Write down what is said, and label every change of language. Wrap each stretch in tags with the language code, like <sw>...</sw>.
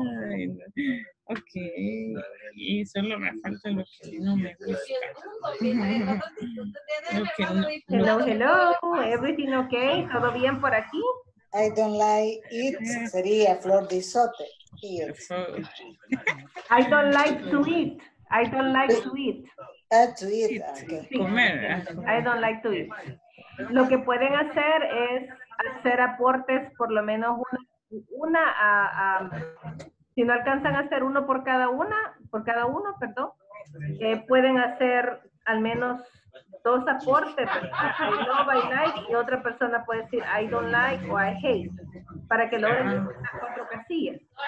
<es>Ay, ok, y solo me falta lo que no me gusta.</es> <en>Hello, hello, everything ok,</en> <es>todo bien por aquí.</es> <en>I don't like it,</en> <es>sería flor de sote.</es> <en>I don't like to eat, I don't like to eat. To eat, okay.</en> <es>Comer.</es> <en>I don't like to eat.</en> <es>Lo que pueden hacer es hacer aportes por lo menos una, si no alcanzan a hacer uno por cada una, pueden hacer al menos dos aportes,</es> <en>I love, I like,</en> <es>y otra persona puede decir</es> <en>I don't like</en> <es>o</es> <en>I hate,</en> <es>para que logren las cuatro casillas.</es>